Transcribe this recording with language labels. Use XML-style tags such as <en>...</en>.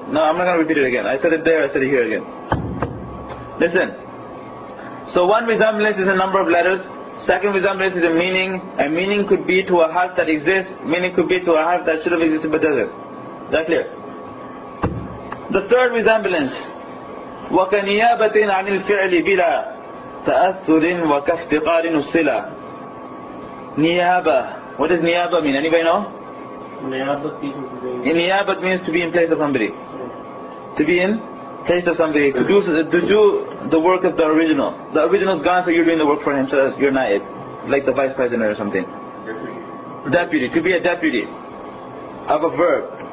<en>No, I'm not going to repeat it again. I said it there, I said it here again. Listen. So one resemblance is a number of letters. Second resemblance is a meaning. A meaning could be to a harf that exists. Meaning could be to a harf that should have existed but doesn't. Is that clear? The third resemblance.</en> <ar>وَكَنِيَابَةٍ عَنِ الْفِعْلِ بِلَا تَأَثُّرٍ وَكَفْتِقَارٍ السِّلَى Niyaba.</ar> <en>What does niyaba mean? Anybody know? Niyaba means to be in place of somebody. To be in place of somebody. To do the work of the original. The original is gone, so you're doing the work for him, so you're not it. Like the vice president or something. Deputy. To be a deputy of a verb.</en>